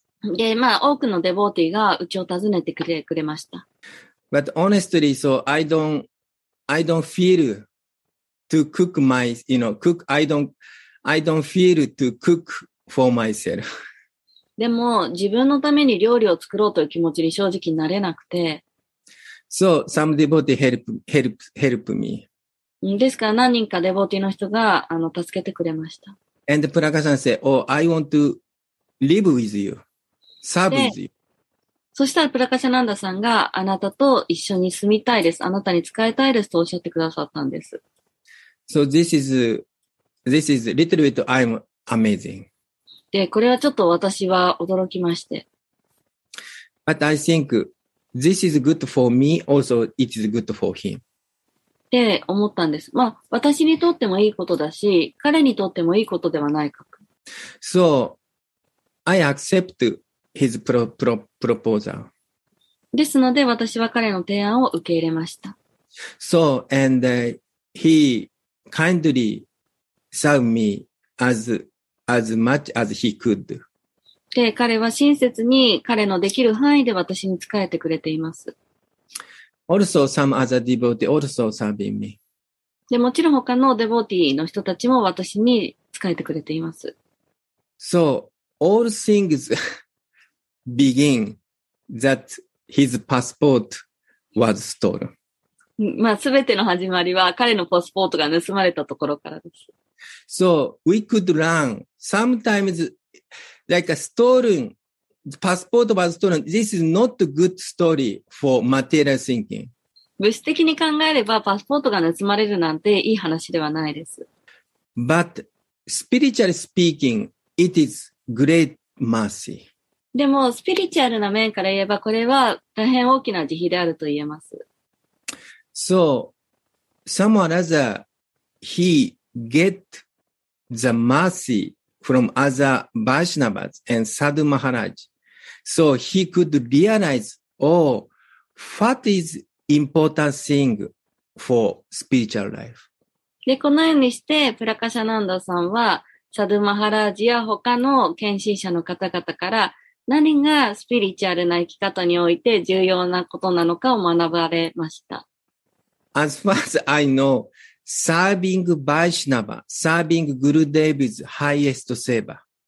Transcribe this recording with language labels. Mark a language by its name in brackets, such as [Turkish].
[Japanese] で、まあ、多くのデボーティーがうちを訪ねてくれました。 [English] But honestly, so I don't feel to cook my, you know, cook, I don't feel to cook for myself. [Japanese] でも、自分のために料理を作ろうという気持ちに正直になれなくて。 [English] So, some devotees help me. [Japanese] ですから、何人かデボーティーの人が、助けてくれました。 [English] And Prakasan said, oh, I want to live with you, serve with you. [Japanese] そしたら Prakasananda さんがあなたと一緒に住みたいです。あなたに仕えたいですとおっしゃってくださったんです。 [English] So this is little bit I'm amazing. [Japanese] で、これはちょっと私は驚きまして。 [English] But I think this is good for me, also it is good for him. [Japanese] って思ったんです。まあ、私にとってもいいことだし、彼にとってもいいことではないかと。 [English] So, I accept his proposal. [Japanese] ですので、私は彼の提案を受け入れました。 [English] So, and he kindly served me as much as he could. [Japanese] で、彼は親切に彼のできる範囲で私に仕えてくれています。 [English] Also, some other devotee also serving me. [Japanese] で、もちろん他のデボーティーの人たちも私に仕えてくれています。 [English] So, all things begin that his passport was stolen. [Japanese] まあ、すべての始まりは彼のパスポートが盗まれたところからです。 [English] So, we could learn sometimes like a stolen. Passport was stolen. This is not a good story for material thinking. [Japanese] 物質的に考えればパスポートが盗まれるなんていい話ではないです。 [English] But spiritually speaking, it is great mercy. [Japanese] でもスピリチュアルな面から言えばこれは大変大きな慈悲であると言えます。 [English] So, someone other, he get the mercy from other Vaishnavas and Sadhu Maharaj. So he could realize, oh, what is important thing for spiritual life? [Japanese] で、このようにして、プラカシャナンダさんは、サドゥマハラージや他の献身者の方々から、何がスピリチュアルな生き方において重要なことなのかを学ばれました。 [English] As far as I know, serving Vaishnava, serving Gurudev is highest seva.